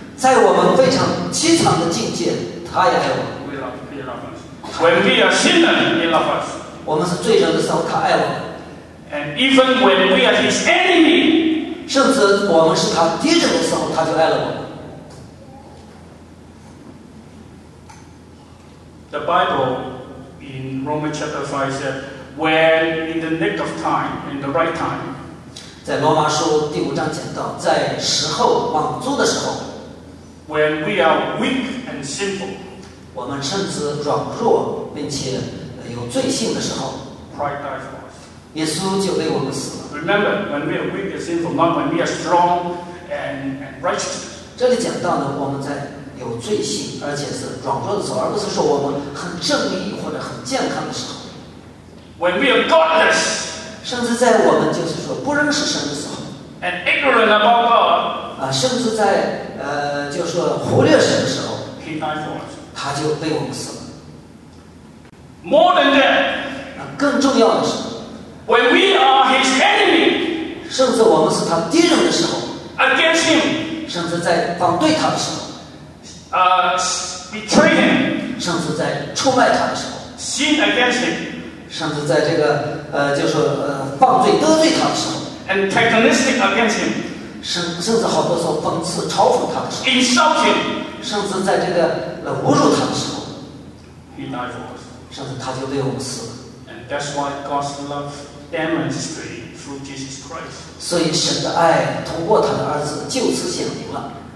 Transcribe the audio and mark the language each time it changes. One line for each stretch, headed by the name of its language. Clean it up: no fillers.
Chinese: 在我们非常凄惨的境界，他也爱我们。
English: We love, he loves us. When we are sinners, he loves us.
Chinese: 我们是罪人的时候，他爱我们。
English: And even when we are his enemy,
Chinese: 甚至我们是他敌人的时候，他就爱了我们。
English: The Bible in Romans chapter 5 said, "When in the nick of time, in the right time."
Chinese: 在罗马书第五章讲到，在时候满足的时候
English: ，When we are weak and sinful，
Chinese: 我们甚至软弱并且有罪性的时候
English: ，Christ died for us，
Chinese: 耶稣就为我们死了。
English: Remember when we are weak and sinful, not when we are strong and righteous。
Chinese: 这里讲到呢，我们在有罪性而且是软弱的时候，而不是说我们很正义或者很健康的时候。
English: When we are godless。
Chinese: 甚至在我们就是说不认识神的时候
English: ，and ignorant about God，
Chinese: 啊，甚至在就是说忽略神的时候
English: ，He died for us，
Chinese: 他就为我们死了。
English: More than that，
Chinese: 更重要的是
English: ，When we are His enemy，
Chinese: 甚至我们是他敌人的时候
English: against him，
Chinese: 甚至在反对他的时候
English: betray him，
Chinese: 甚至在出卖他的时候
English: sin against him，
Chinese: 甚至在这个犯罪得罪他的时候
English: antagonistic against him，
Chinese: 甚至好多时候讽刺嘲讽他的时候
English: insult him，
Chinese: 甚至在这个侮辱他的时候
English: he died for us，
Chinese: 甚至他就为我们死了。
English: And that's why God's love demonstrated through Jesus Christ。
Chinese: 所以神的爱通过他的儿子就此显明了。